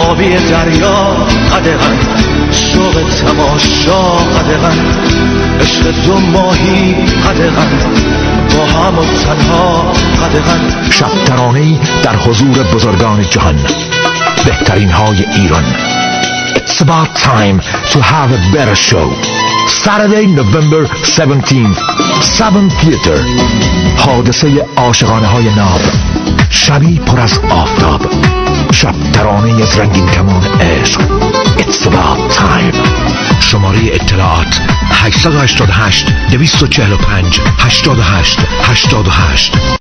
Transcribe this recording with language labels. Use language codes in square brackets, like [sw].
[fa] آبی دریا قدغن، شوق تماشا قدغن، عشق دو ماهی قدغن، با هم و تنها قدغن. شب ترانه‌ای در حضور بزرگان جهان، بهترین های ایران. [en] It's about time to have a better show. Saturday, November 17th, 7th Theater. [fa] حادثه عاشقانه های ناب، شبی پر از آفتاب، شب ترانه از رنگین کمان عشق. [en] It's about time. [fa] شماره اطلاعات 888-245-88-88.